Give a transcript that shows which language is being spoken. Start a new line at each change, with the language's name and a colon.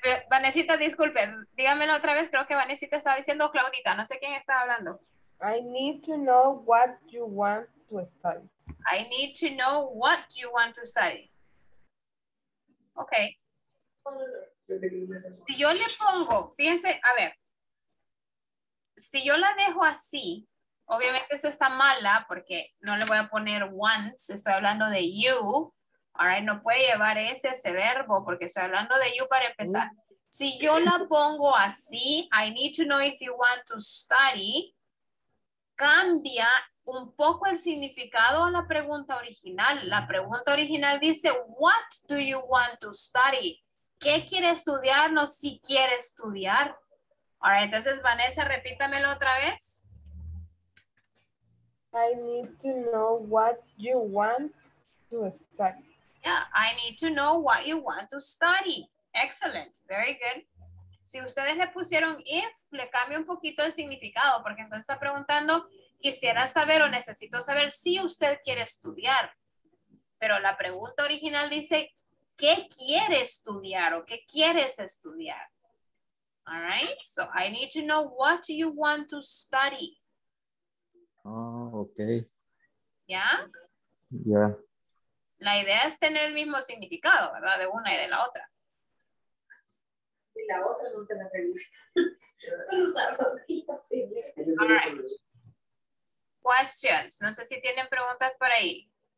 Spanish: Vanesita, disculpen, dígamelo otra vez, creo que Vanesita estaba diciendo Claudita, no sé quién estaba hablando.
English: I need to know what you want to study. I need to know what you want to study. Ok.
Spanish: Si yo le pongo, fíjense, a ver, si yo la dejo así, obviamente esta está mala porque no le voy a poner once, estoy hablando de you.
English: All right,
Spanish: no puede llevar ese verbo porque estoy hablando de you para empezar. Si yo la pongo así,
English: I need to know if you want to study,
Spanish: cambia un poco el significado a la pregunta original. La pregunta original dice,
English: what do you want to study?
Spanish: ¿Qué quiere estudiar? No, si quiere estudiar.
English: All right,
Spanish: entonces, Vanessa, repítamelo otra vez.
English: I need to know what you want to study. Yeah, I need to know what you want to study. Excellent. Very good.
Spanish: Si ustedes le pusieron if, le cambia un poquito el significado, porque entonces está preguntando, quisiera saber o necesito saber si usted quiere estudiar. Pero la pregunta original dice, ¿qué quiere estudiar o qué quieres estudiar?
English: All right. So, I need to know what you want to study. Oh, okay. Yeah? Yeah.
Spanish: La idea es tener el mismo significado, ¿verdad? De una y de la otra. Y la otra no te la tenés.
English: All right. Questions.
Spanish: No sé si tienen preguntas por ahí.